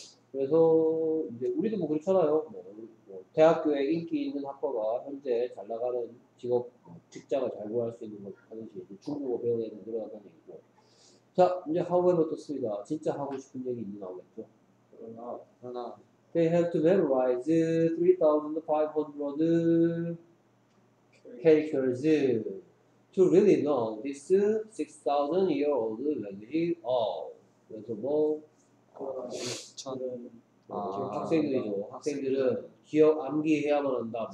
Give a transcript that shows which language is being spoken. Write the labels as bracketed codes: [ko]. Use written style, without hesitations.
[ko] 그래서 이제 우리도 뭐 그렇잖아요. 뭐 대학교에 인기 있는 학과가 현재 잘 나가는 직업, 직장을 잘 구할 수 있는 걸 하는지 중국어 배우는 애들 늘어나는 얘기고. 자, 이제 학원에 어떻습니까? 진짜 하고 싶은 얘기 있는 거겠죠? 그러나 [en] They have to memorize 3,500 characters to really know this 6,000-year-old language all. [ko] 그래서 뭐 지금 학생들이죠. 학생들은 기억 암기해야만 한다.